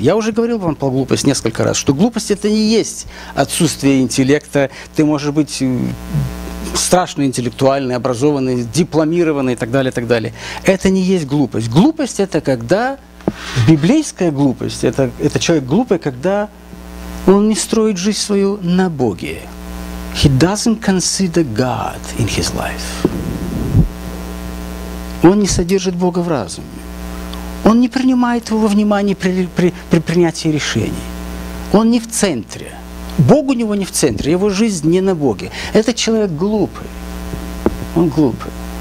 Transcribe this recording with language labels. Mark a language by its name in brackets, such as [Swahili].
[Russian] Я уже говорил вам про глупость несколько раз, что глупость – это не есть отсутствие интеллекта. Ты можешь быть страшно интеллектуальный, образованный, дипломированный и так далее, и так далее. Это не есть глупость. Глупость – это когда библейская глупость, это человек глупый, когда он не строит жизнь свою на Боге. [English] He doesn't consider God in his life. [Russian] Он не содержит Бога в разуме. Он не принимает его во внимание при принятии решений. Он не в центре. Бог у него не в центре, его жизнь не на Боге. Этот человек глупый. Он глупый.